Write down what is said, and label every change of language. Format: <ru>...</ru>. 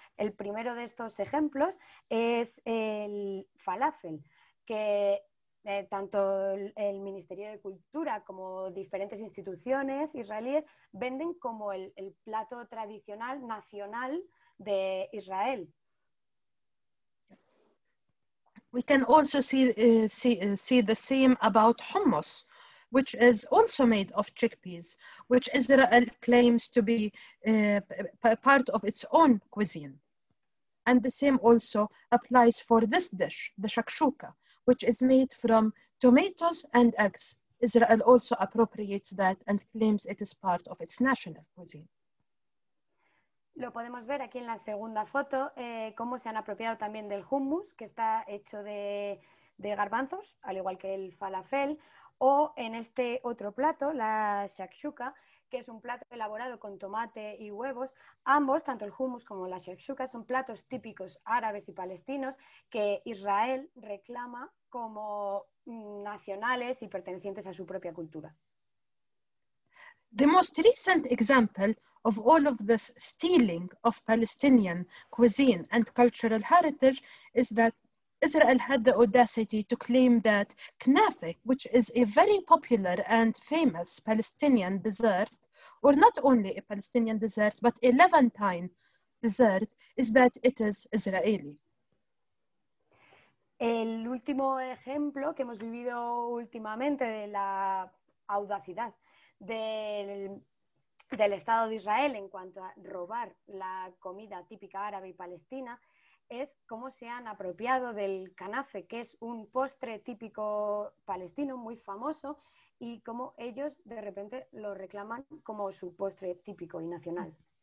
<es>El primero de estos ejemplos es el falafel, que tanto el Ministerio de Cultura como diferentes instituciones israelíes venden como el plato tradicional nacional de Israel.</es> <en>We can also see the same about hummus, which is also made of chickpeas, which Israel claims to be part of its own cuisine. And the same also applies for this dish, the shakshuka, which is made from tomatoes and eggs. Israel also appropriates that and claims it is part of its national cuisine.</en> <es>Lo podemos ver aquí en la segunda foto, cómo se han apropiado también del hummus, que está hecho de garbanzos, al igual que el falafel, o en este otro plato, la shakshuka, que es un plato elaborado con tomate y huevos. Ambos, tanto el hummus como la shakshuka, son platos típicos árabes y palestinos que Israel reclama como nacionales y pertenecientes a su propia cultura.</es> <en>The most recent example of all of this stealing of Palestinian cuisine and cultural heritage is that Israel had the audacity to claim that knafe, which is a very popular and famous Palestinian dessert, or not only a Palestinian dessert, but a Levantine dessert, is that it is Israeli.</en> <es>El último ejemplo que hemos vivido últimamente de la audacidad del Estado de Israel en cuanto a robar la comida típica árabe y palestina es cómo se han apropiado del canafe, que es un postre típico palestino muy famoso, y cómo ellos de repente lo reclaman como su postre típico y nacional.</es>